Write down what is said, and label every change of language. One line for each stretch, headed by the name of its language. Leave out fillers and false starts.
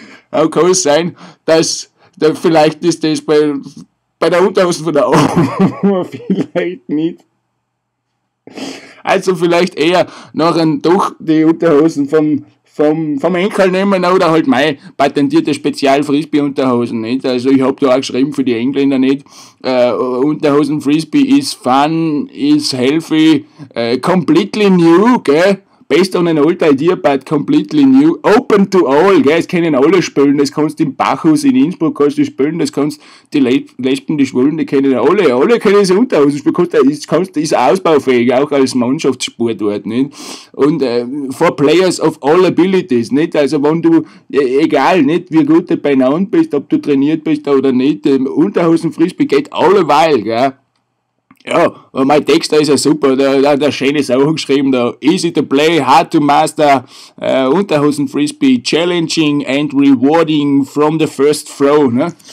German: Auch kann es sein, dass da vielleicht ist das bei der Unterhose von der Oma vielleicht nicht. Also vielleicht eher nachher doch die Unterhosen vom Enkel nehmen oder halt meine patentierte Spezial-Frisbee-Unterhosen, nicht? Also ich habe da auch geschrieben für die Engländer, nicht?
English: Unterhosen-Frisbee is fun, is healthy, completely new, gell? Based on an old idea, but completely new, open to all, gell?
German: Es können alle spielen, das kannst du im Bachhaus in Innsbruck kannst du spielen, das kannst die Lesben, die Schwulen, die können alle können das Unterhosen spielen, ist ausbaufähig, auch als Mannschaftssport dort, nicht?
English: Und for players of all abilities, nicht?
German: Also wenn du, egal, nicht, wie gut du beieinander bist, ob du trainiert bist oder nicht, Unterhosen-Frisbee geht alleweil, gell? Ja, und mein Text da ist ja super, da hat er schöne Sachen geschrieben, da
English: easy to play, hard to master,
German: Unterhosen Frisbee,
English: challenging and rewarding from the first throw,
German: ne?